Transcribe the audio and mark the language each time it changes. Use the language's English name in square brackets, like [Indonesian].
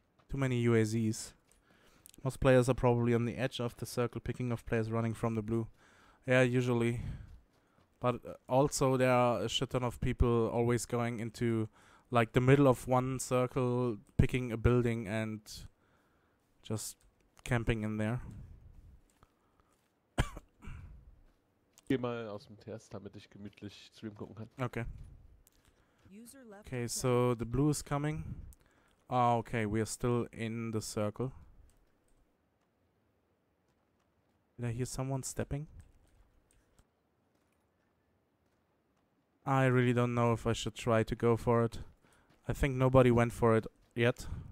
[English] Too many UAZs. Most players are probably on the edge of the circle, picking off players running from the blue. Yeah, usually. But also there are a shit ton of people always going into like the middle of one circle, picking a building and just camping in there. [German] Geh mal aus dem Test, damit ich gemütlich Stream gucken kann. [English] Okay. Okay, so the blue is coming. Ah, okay, we are still in the circle. Did I hear someone stepping? I really don't know if I should try to go for it. I think nobody went for it yet.